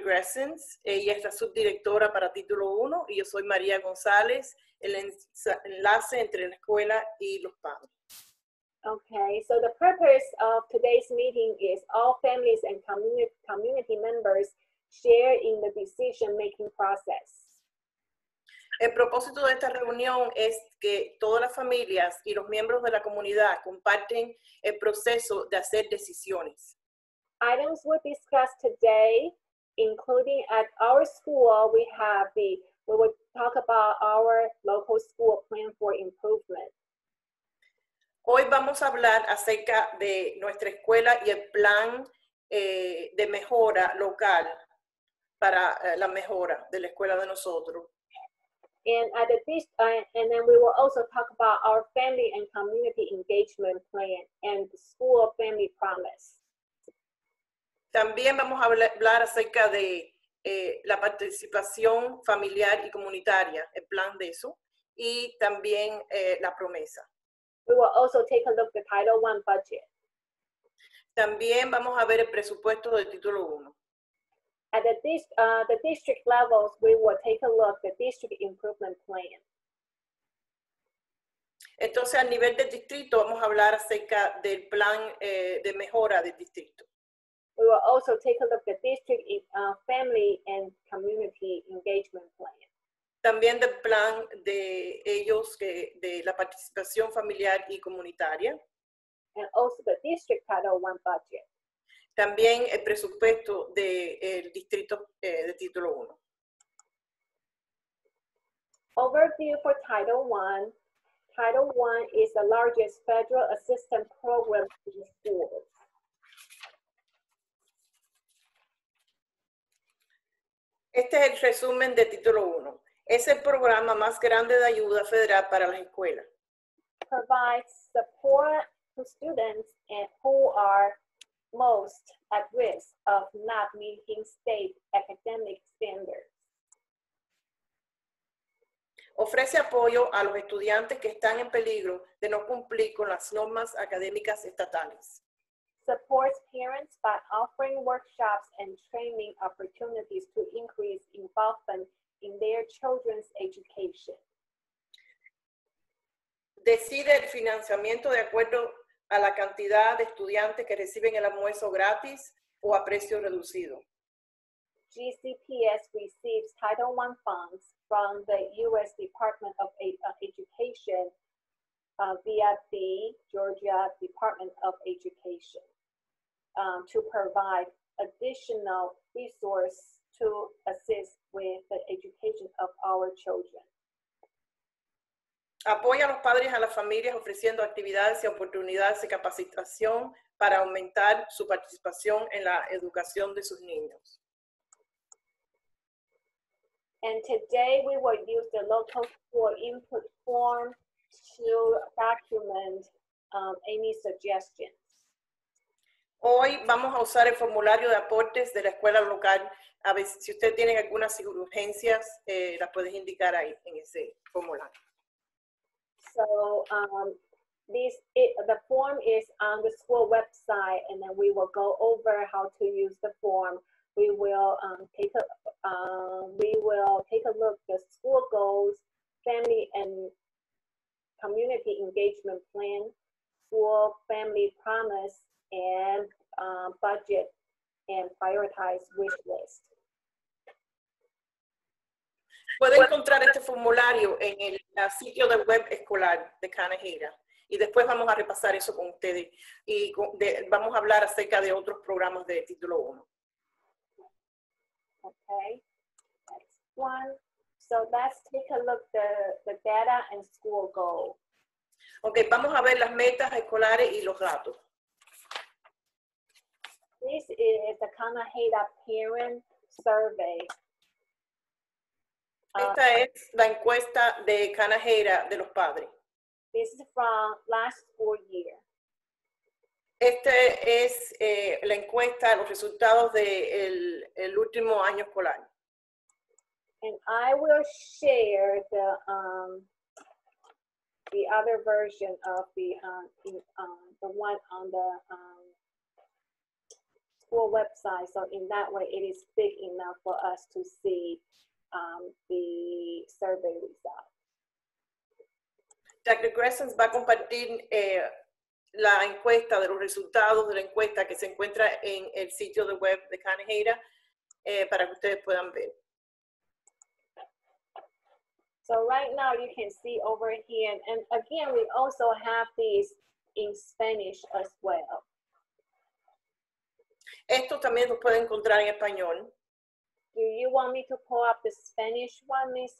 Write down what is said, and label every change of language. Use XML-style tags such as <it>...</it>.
<es>Grassens, ella es la subdirectora para título 1 y yo soy María González, el enlace entre la escuela y los padres.</es> <en>Okay, so the purpose of today's meeting is all families and community members share in the decision making process.</en> <es>El propósito de esta reunión es que todas las familias y los miembros de la comunidad comparten el proceso de hacer decisiones.</es> <en>Items we discussed today, including at our school, we will talk about our local school plan for improvement.</en> <es>Hoy vamos a hablar acerca de nuestra escuela y el plan de mejora local para la mejora de la escuela de nosotros.</es> <en>And at this, and then we will also talk about our family and community engagement plan and the school family promise.</en> <es>También vamos a hablar acerca de la participación familiar y comunitaria, el plan de eso, y también la promesa.</es> <en>We will also take a look at the Title I budget.</en> <es>También vamos a ver el presupuesto del Título 1.</es> <en>At the district levels, we will take a look at the district improvement plan.</en> <es>Entonces, a nivel del distrito, vamos a hablar acerca del plan de mejora del distrito.</es> <en>We will also take a look at the district family and community engagement plan.</en> <es>También del plan de ellos, que, de la participación familiar y comunitaria.</es> <en>And also the district Title I budget.</en> <es>También el presupuesto del distrito de Título 1.</es> <en>Overview for Title I. Title I is the largest federal assistance program in schools.</en> <es>Este es el resumen de Título 1. Es el programa más grande de ayuda federal para las escuelas.</es> <en>Provides support to students who are most at risk of not meeting state academic standards.</en> <es>Ofrece apoyo a los estudiantes que están en peligro de no cumplir con las normas académicas estatales.</es> <en>Supports parents by offering workshops and training opportunities to increase involvement in their children's education.</en> <es>Decide el financiamiento de acuerdo a la cantidad de estudiantes que reciben el almuerzo gratis o a precio reducido.</es> <en>GCPS receives Title I funds from the U.S. Department of Education via the Georgia Department of Education. To provide additional resource to assist with the education of our children.</en> <es>Apoya a los padres a las familias ofreciendo actividades y oportunidades de capacitación para aumentar su participación en la educación de sus niños.</es> <en>And today we will use the local school input form to document Amy's suggestions.</en> <es>Hoy vamos a usar el formulario de aportes de la escuela local. A ver, si usted tiene algunas urgencias, las puedes indicar ahí en ese formulario.</es> <en>So, the form is on the school website, and then we will go over how to use the form. We will take a look at the school goals, family and community engagement plan, school family promise, and budget and prioritize wish list.</en> <es>Puede encontrar este formulario en el sitio del web escolar de Kanoheda. Y después vamos a repasar eso con ustedes. Y vamos a hablar acerca de otros programas de título 1.</es> <en>Okay. Next one. So let's take a look at the data and school goal.</en> <es>Okay, vamos a ver las metas escolares y los datos.</es> <en>This is the Kanoheda Parent Survey.</en> <es>Esta es la encuesta de Kanoheda de los padres.</es> <en>This is from last school year.</en> <es>Este es la encuesta, los resultados del último año escolar.</es> <en>And I will share the other version of the one on the school website. So in that way, it is big enough for us to see the survey results. Dr.</en> <es>Gressens va a compartir la encuesta de los resultados de la encuesta que se encuentra en el sitio de web de Kanoheda para que ustedes puedan ver.</es> <en>So right now you can see over here, and again we also have these in Spanish as well.</en> <es>Esto también lo pueden encontrar en español.</es> <en>Do you want me to pull up the Spanish one, Ms.</en>